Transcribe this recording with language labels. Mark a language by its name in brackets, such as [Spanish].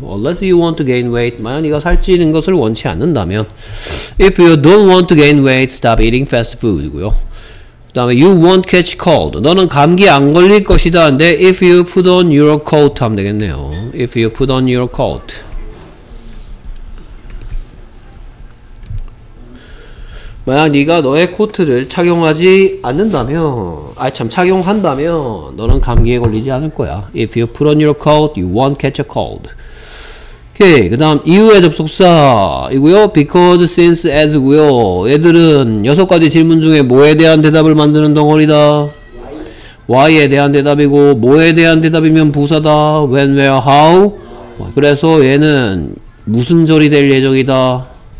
[English] unless you want to gain weight [Korean] 만약 네가 살찌는 것을 원치 않는다면 [English] if you don't want to gain weight stop eating fast food고요. [Korean] 그 다음에 [English] you won't catch cold. [Korean] 너는 감기 안 걸릴 것이다. 근데 if you put on your coat 하면 되겠네요. if you put on your coat. 만약 네가 너의 코트를 착용하지 않는다면 아이 참 착용한다면 너는 감기에 걸리지 않을 거야. [English] if you put on your coat you won't catch a cold. [Korean] 오케이. 그 다음 이유의 접속사 이고요. [English] because, since, as 고요. [Korean] 얘들은 여섯 가지 질문 중에 뭐에 대한 대답을 만드는 덩어리다. [English] why. [Korean] why에 대한 대답이고 뭐에 대한 대답이면 부사다. [English] when, where, how. [Korean] 그래서 얘는 무슨 절이 될 예정이다.